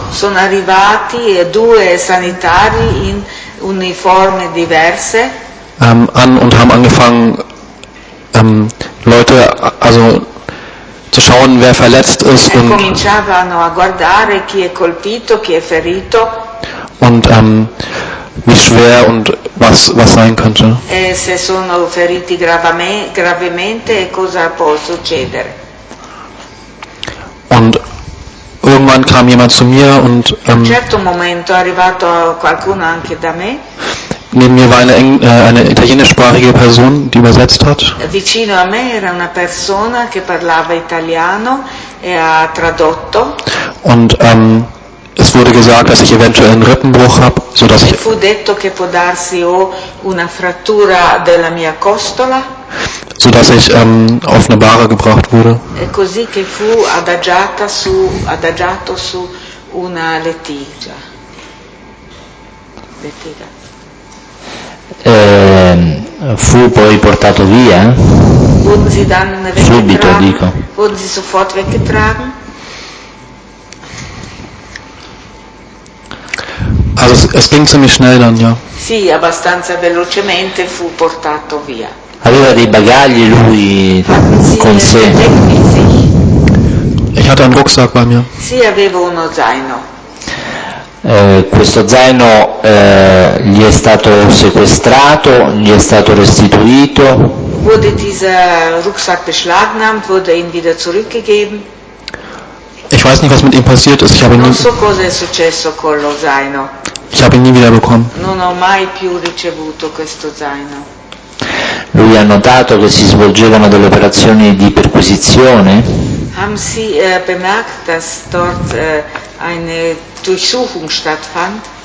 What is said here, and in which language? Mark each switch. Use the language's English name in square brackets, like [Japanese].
[Italian] Sono arrivati due sanitari in uniformi diverse. [German] An und haben angefangen Leute, also zu schauen, wer verletzt ist und [Italian] cominciavano a guardare chi è colpito, chi è ferito [German] und wie schwer und was sein könnte. [Italian] E se sono feriti gravemente e cosa può succedere? [German] Und irgendwann kam jemand zu mir und [Italian] in certo momento è arrivato qualcuno anche da me. [German] Neben mir war eine italienischsprachige Person, die übersetzt hat. [Italian] Vicino a me era una persona che parlava italiano e ha tradotto. [German] Und Es wurde gesagt, dass ich eventuell einen Rippenbruch habe, so dass ich. [Italian] Fu detto che può darsi ho una frattura della mia costola. [German] So dass ich auf eine Bahre gebracht wurde. [Italian] E così che fu adagiata su adagiato su una lettiga. Lettiga. Fu poi portato via. [German] Wurden sie dann weggetragen? [Italian] Subito, dico. [German] Wurden sie sofort weggetragen? Also es ging ziemlich schnell dann, ja. [Italian] Sì, abbastanza velocemente fu portato via. Aveva dei bagagli lui con sé. [German] Ich hatte einen Rucksack bei mir. [Italian] Sì, avevo uno zaino. Questo zaino gli è stato sequestrato, gli è stato restituito. [German] Wurde dieser Rucksack beschlagnahmt, wurde ihm wieder zurückgegeben. Ich weiß nicht, was mit ihm passiert ist. Ich habe ihn [Italian] non so cosa è successo con lo zaino. [German] Ich habe ihn nie wieder bekommen. [Italian] Non ho mai più ricevuto questo zaino. Lui ha notato che si svolgevano delle operazioni di perquisizione? [German] Haben Sie bemerkt, dass dort eine Durchsuchung stattfand?